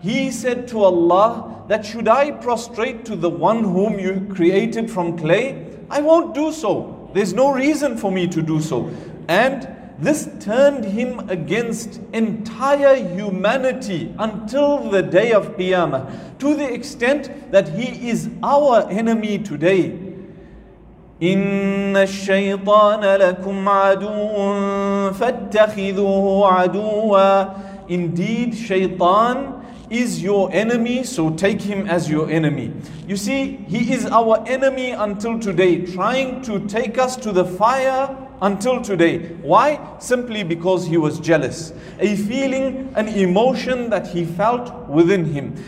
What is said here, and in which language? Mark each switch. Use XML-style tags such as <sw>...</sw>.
<en>He said to Allah that should I prostrate to the one whom you created from clay? I won't do so. There's no reason for me to do so. And this turned him against entire humanity until the day of Qiyamah, to the extent that he is our enemy today.</en> <ar>إن الشيطان لكم عدو فاتخذوه عدوا.</ar> <en>Indeed, Shaytan is your enemy, so take him as your enemy. You see, he is our enemy until today, trying to take us to the fire until today. Why? Simply because he was jealous. A feeling, an emotion that he felt within him.</en>